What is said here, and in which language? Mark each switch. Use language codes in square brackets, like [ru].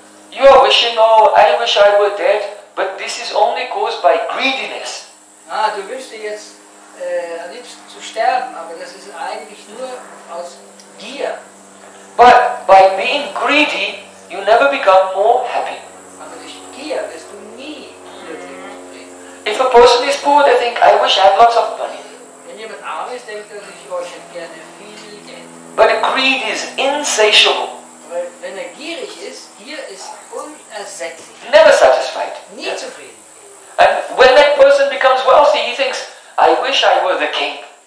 [en] You are wishing, oh, I wish I were dead, but this is only caused by greediness. [de] Ah, du wünschst dir jetzt am liebsten zu sterben, aber das ist eigentlich nur aus Gier. [en] But by being greedy, you never become more happy. [de] Aber durch Gier wirst du nie glücklich. [en] If a person is poor, they think, I wish I had lots of money. [de] Wenn jemand arm ist, denkt er sich, oh, ich hätte gerne viel Geld. [en] But greed is insatiable. [de] Weil wenn er gierig ist, Gier ist unersättlich. [en] Never satisfied. [de] Nie zufrieden. [en] And when that person becomes wealthy, he thinks, I wish I were the king.